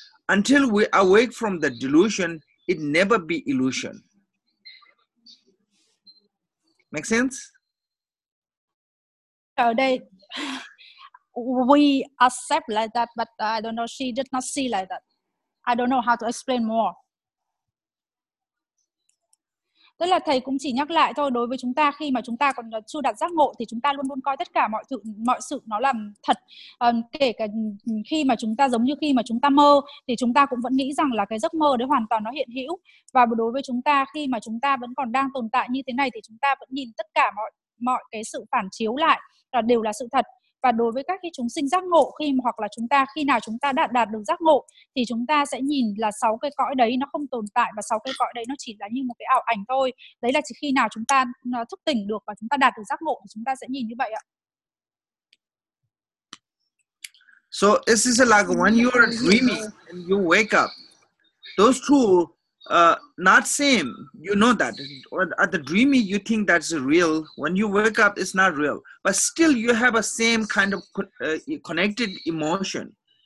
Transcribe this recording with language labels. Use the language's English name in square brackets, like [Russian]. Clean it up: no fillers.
[English] Until we awake from the delusion, it never be illusion. Make sense? We accept like that, but I don't know. She did not see like that. I don't know how to explain more. [Vietnamese] Tức là thầy cũng chỉ nhắc lại thôi, đối với chúng ta khi mà chúng ta còn chưa đạt giác ngộ thì chúng ta luôn luôn coi tất cả mọi sự nó là thật. Kể cả khi mà chúng ta giống như khi mà chúng ta mơ thì chúng ta cũng vẫn nghĩ rằng là cái giấc mơ đấy hoàn toàn nó hiện hữu. Và đối với chúng ta khi mà chúng ta vẫn còn đang tồn tại như thế này thì chúng ta vẫn nhìn tất cả mọi cái sự phản chiếu lại là đều là sự thật. Và đối với các cái chúng sinh giác ngộ khi mà, hoặc là chúng ta khi nào chúng ta đạt được giác ngộ thì chúng ta sẽ nhìn là 6 cái cõi đấy nó không tồn tại và 6 cái cõi đấy nó chỉ là như một cái ảo ảnh thôi. Đấy là chỉ khi nào chúng ta thức tỉnh được và chúng ta đạt được giác ngộ thì chúng ta sẽ nhìn như vậy ạ. [English] So this is like when you are dreaming and you wake up, those two not same, you know that. At the dreamy, you think that's real. When you wake up, it's not real. But still, you have a same kind of connected emotion.